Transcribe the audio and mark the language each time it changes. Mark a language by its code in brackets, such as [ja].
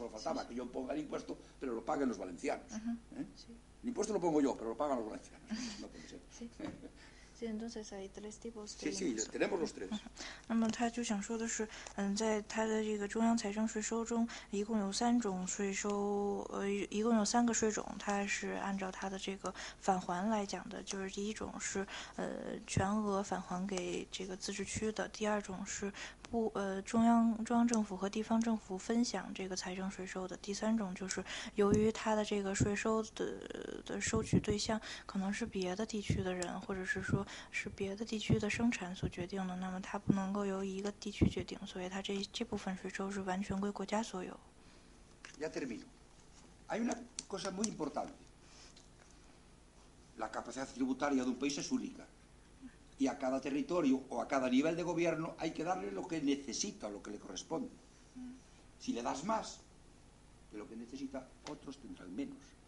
[es] Solo faltaba que yo ponga el impuesto, pero lo paguen los valencianos. El impuesto lo pongo yo, pero lo pagan los valencianos. No puede ser. Sí, entonces hay tres tipos de impuestos. Sí, sí, tenemos los tres. [zh] 那么他就想说的是, 在他的这个中央财政税收中, 一共有三种税收, 一共有三个税种, 他是按照他的这个返还来讲的, 就是第一种是, 全额返还给这个自治区的, 第二种是, 中央政府和地方政府分享这个财政税收的, 第三种就是由于他的这个税收的收取对象, 可能是别的地区的人, 或者是说, 是别的地区的生产所决定的, 那么它不能够由一个地区决定, 所以它这部分税收是完全归国家所有。 [es] Ya termino. Hay una cosa muy importante. La capacidad tributaria de un país es única. Y a cada territorio o a cada nivel de gobierno hay que darle lo que necesita, lo que le corresponde. Si le das más de lo que necesita, otros tendrán menos.